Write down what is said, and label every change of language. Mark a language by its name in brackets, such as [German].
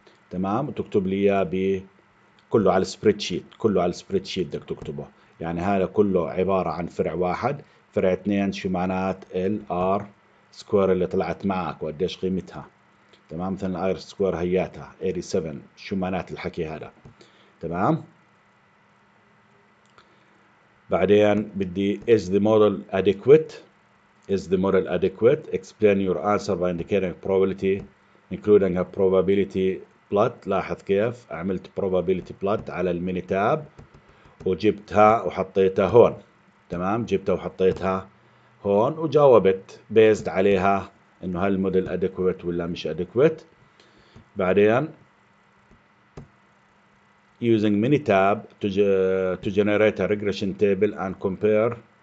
[Arabic] تمام؟ وتكتب لي اياه كله على spreadsheet، كله على spreadsheet بدك تكتبه. يعني هذا كله عبارة عن فرع واحد، فرع اثنين شو معنات ال R square اللي طلعت معك وقديش قيمتها. تمام؟ مثلا R square هياتها 87، شو معنات الحكي هذا. تمام؟ بعدين بدي [English] is the model adequate، is the model adequate، explain your answer by indicating probability including a probability plot. [Arabic] لاحظ كيف عملت probability plot على الميني تاب وجبتها وحطيتها هون. تمام؟ جبتها وحطيتها هون وجاوبت based عليها انه هل الموديل adequate ولا مش adequate. بعدين [English] using Minitab to generate a regression table and compare.